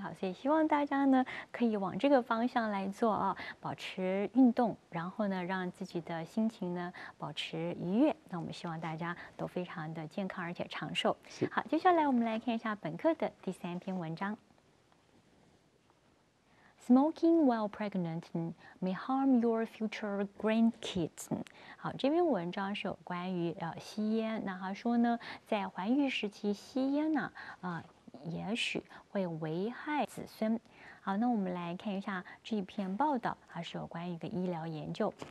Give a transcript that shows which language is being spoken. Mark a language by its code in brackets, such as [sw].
[zh] 好，所以希望大家呢可以往这个方向来做啊，保持运动，然后呢让自己的心情呢保持愉悦。那我们希望大家都非常的健康而且长寿。好，接下来我们来看一下本课的第三篇文章。 [en] Smoking while pregnant may harm your future grandkids. [zh] 好，这篇文章是有关于吸烟。那他说呢，在怀孕时期吸烟呢，也许会危害子孙。好，那我们来看一下这篇报道，它是有关于一个医疗研究。